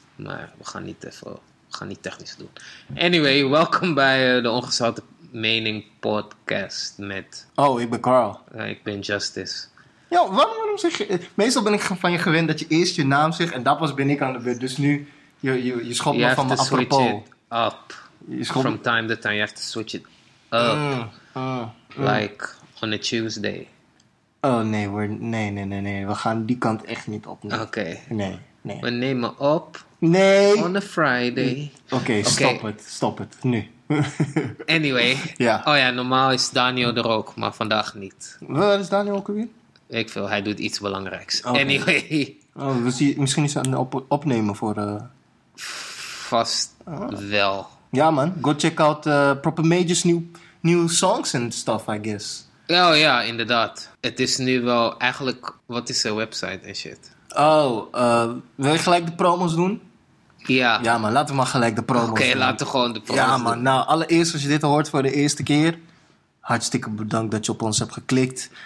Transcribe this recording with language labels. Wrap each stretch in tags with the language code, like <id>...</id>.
<nl>Maar we gaan niet technisch doen. Anyway, welkom bij de Ongezouten Mening Podcast met... Oh, ik ben Carl. Ik ben Justice. Ja, waarom zeg je... Meestal ben ik van je gewend dat je eerst je naam zegt en dat was ben ik aan de beurt. Dus nu, je schopt je me van me apropos.</nl> <en>You have to switch it up. From time to time, you have to switch it up, like on a Tuesday.</en> <nl>Oh nee, nee, we gaan die kant echt niet op. Oké. Okay. Nee. We nemen op. Nee.</nl> <en>On a Friday.</en> <nl>Oké. Stop het, nu.</nl> <en>Anyway.</en> <nl>Ja. Oh ja, normaal is Daniel er ook, maar vandaag niet. Waar is Daniel ook weer? Ik veel, hij doet iets belangrijks.</nl> <en>Okay. Anyway.</en> <nl>Oh, misschien is hij aan het opnemen voor... Vast wel.</nl> <en>Ja man, go check out Proper Major's new songs and stuff, I guess.</en> <nl>Oh ja, inderdaad. Het is nu wel eigenlijk, wat is zijn website en shit? Oh, wil je gelijk de promos doen? Ja. Ja man, laten we maar gelijk de promos doen. Oké, laten we gewoon de promos doen. Ja man, nou allereerst als je dit hoort voor de eerste keer. Hartstikke bedankt dat je op ons hebt geklikt.</nl>